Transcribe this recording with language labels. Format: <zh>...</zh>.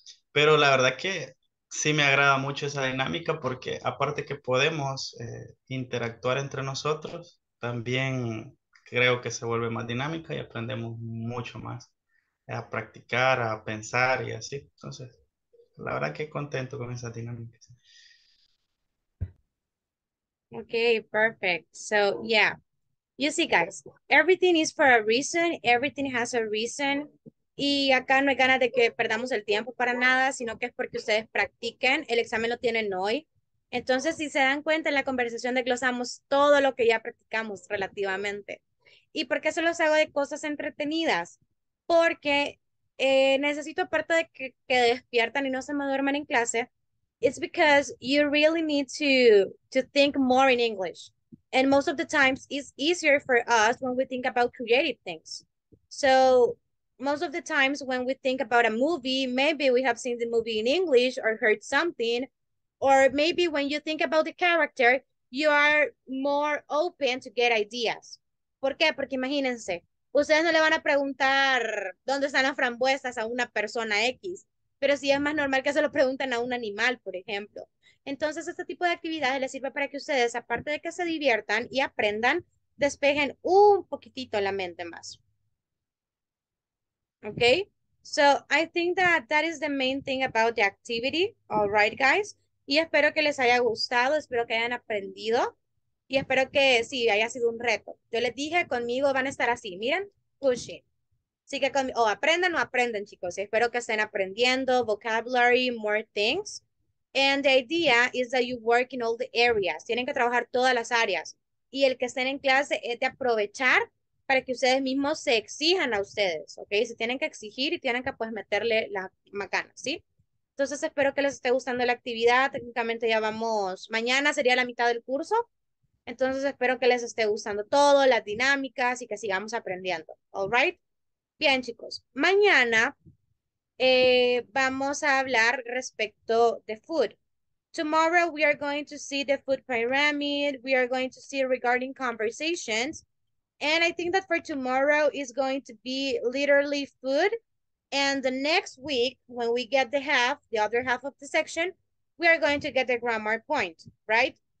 <es>Pero la verdad que sí me agrada mucho esa dinámica porque aparte que podemos interactuar entre nosotros, también creo que se vuelve más dinámica y aprendemos mucho más. A practicar, a pensar y así. Entonces, la verdad que contento con esa dinámica.</es> <en>Okay, perfect. So, yeah. You see, guys, everything is for a reason. Everything has a reason.</en> <es>Y acá no hay ganas de que perdamos el tiempo para nada, sino que es porque ustedes practiquen. El examen lo tienen hoy. Entonces, si se dan cuenta, en la conversación desglosamos todo lo que ya practicamos relativamente. ¿Y por qué se los hago de cosas entretenidas? Porque necesito, aparte de que despiertan y no se me duerman en clase,</es> <en>it's because you really need to think more in English. And most of the times it's easier for us when we think about creative things. So most of the times when we think about a movie, maybe we have seen the movie in English or heard something, or maybe when you think about the character, you are more open to get ideas.</en> <es>¿Por qué? Porque imagínense, ustedes no le van a preguntar dónde están las frambuesas a una persona X, pero sí es más normal que se lo pregunten a un animal, por ejemplo. Entonces, este tipo de actividades les sirve para que ustedes, aparte de que se diviertan y aprendan, despejen un poquitito la mente más.</es> <en>Okay? So, I think that is the main thing about the activity. All right, guys?</en> <es>Y espero que les haya gustado, espero que hayan aprendido. Y espero que sí, haya sido un reto. Yo les dije, conmigo van a estar así, miren, pushing. Así que conmigo, aprendan o aprenden, chicos. Espero que estén aprendiendo</es> <en>vocabulary, more things. And the idea is that you work in all the areas.</en> <es>Tienen que trabajar todas las áreas. Y el que estén en clase es de aprovechar para que ustedes mismos se exijan a ustedes, ¿ok? Se tienen que exigir y tienen que, pues, meterle la macana, ¿sí? Entonces, espero que les esté gustando la actividad. Técnicamente ya vamos, mañana sería la mitad del curso. Entonces, espero que les esté gustando todo, las dinámicas y que sigamos aprendiendo,</es> <en>¿all right?</en> <es>Bien, chicos, mañana vamos a hablar respecto de food.</es> <en>Tomorrow we are going to see the food pyramid, we are going to see regarding conversations, and I think that for tomorrow is going to be literally food, and the next week when we get the half, the other half of the section, we are going to get the grammar point, right?</en>